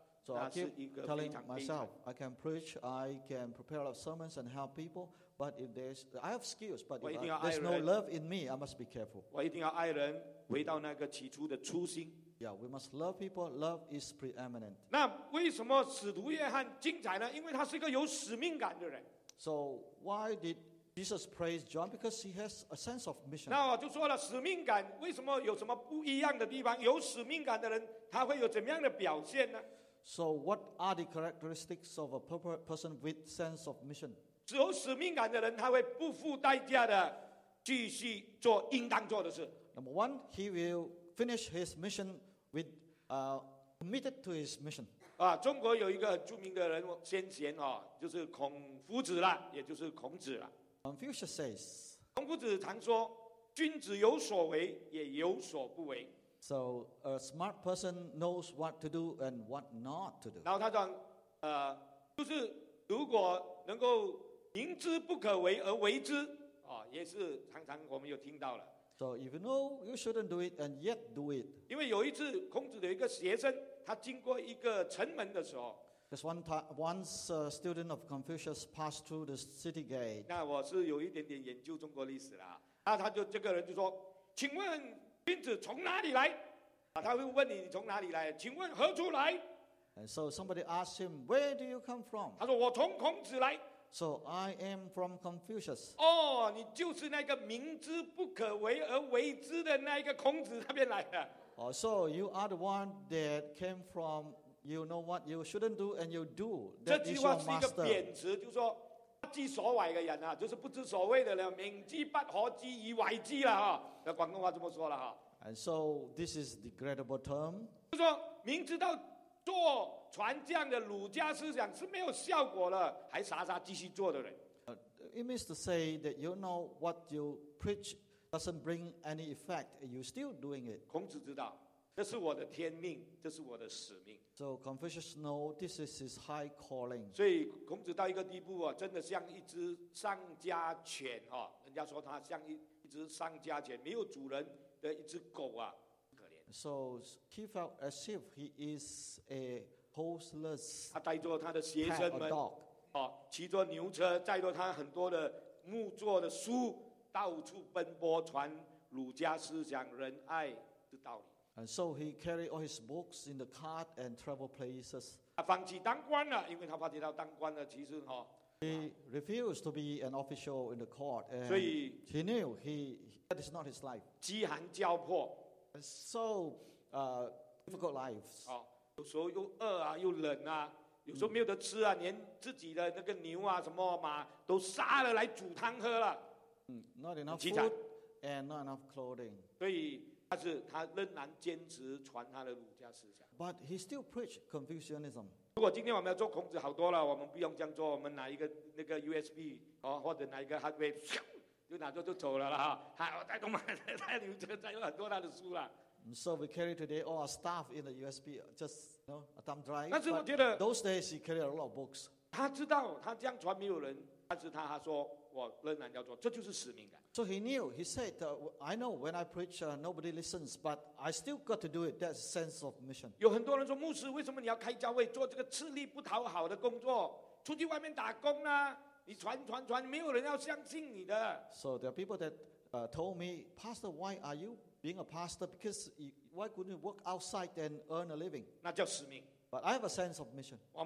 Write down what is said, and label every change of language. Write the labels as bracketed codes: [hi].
[en] So I keep telling myself, I can preach, I can prepare a lot of sermons and help people, but if there's, I have skills, but if there's no love in me, I must be careful. [zh] 我一定要爱人，回到那个起初的初心。 [en] Yeah, we must love people. Love is preeminent. [zh] 那为什么使徒约翰精彩呢？因为他是一个有使命感的人。 [en] So why did Jesus praised John because he has a sense of mission. [zh] 那我就说了，使命感为什么有什么不一样的地方？有使命感的人，他会有怎么样的表现呢？ [en] So what are the characteristics of a person with sense of mission? [zh] 只有使命感的人，他会不付代价的继续做应当做的事。 [en] Number one, he will finish his mission with committed to his mission. [zh] 啊，中国有一个著名的人先贤哦，就是孔夫子了，也就是孔子了。 [en] Confucius says, [zh] 孔夫子常说，君子有所为，也有所不为。 [en] So a smart person knows what to do and what not to do. [zh] 然后他讲，就是如果能够明知不可为而为之，哦，也是常常我们有听到了。 [en] So if you know you shouldn't do it and yet do it. [zh] 因为有一次孔子的一个学生，他经过一个城门的时候。 [en] Because once a student of Confucius passed through the city gate. [zh] 那我是有一点点研究中国历史啦。那他就这个人就说，请问君子从哪里来？他会问你从哪里来？请问何处来？ [en] And so somebody asked him, where do you come from? [zh] 他说我从孔子来。 [en] So I am from Confucius. [zh] 哦，你就是那个明知不可为而为之的那个孔子那边来的。 [en] Oh, so you are the one that came from You know what you shouldn't do, and you do. That is your master. [zh] 这句话是一个贬词，就是说不知所谓的人啊，就是不知所谓的人，明知不可知以为之了哈。那广东话这么说了哈。 [en] And so this is the degradable term. [zh] 就说明知道做传这样的儒家思想是没有效果了，还傻傻继续做的人。 [en] It means to say that you know what you preach doesn't bring any effect, and you're still doing it. [zh] 孔子知道。这是我的天命，这是我的使命。 [en] So Confucius know this is his high calling. [zh] 所以孔子到一个地步啊，真的像一只丧家犬哦。人家说他像一只丧家犬，没有主人的一只狗啊，可怜。 [en] So he felt as if he is a houseless. [zh] 他带着他的学生们，哦，骑着牛车，载着他很多的木作的书，到处奔波传儒家思想、仁爱的道理。 [en] And so he carried all his books in the cart and traveled places. [zh] 他放弃当官了，因为他发觉到当官了，其实哈。 [en] He refused to be an official in the court. [zh] 所以 [en] he knew he that is not his life. [zh] 饥寒交迫 [en] ，so difficult lives. [zh] 哦，有时候又饿啊，又冷啊，有时候没有得吃啊，连自己的那个牛啊、什么马都杀了来煮汤喝了。 [en] Not enough food and not enough clothing. [zh] 所以。但是他仍然坚持传他的儒家思想。 [en] But he still preached Confucianism. [zh] 如果今天我们要做孔子好多了，我们不用这样做，我们拿一个那个 USB 或者拿一个 hardware， 就拿着就走了了哈。他带动他，他留着，他有很多他的书了。 [en] So we carry today all our stuff in the USB, just you know, a thumb drive. [zh] 但是我觉得, [en] but those days he carried a lot of books. [zh] 他知道他这样传没有人，但是他说我仍然要做，这就是使命感。 [en] So he knew. He said, "I know when I preach, nobody listens, but I still got to do it. That's a sense of mission." [zh] 有很多人说，牧师，为什么你要开教会做这个吃力不讨好的工作，出去外面打工呢？你传传传，没有人要相信你的。 [en] So there are people that told me, "Pastor, why are you being a pastor? Because you, why couldn't you work outside and earn a living?" [zh] 那叫使命。 [en] But I have a sense of mission.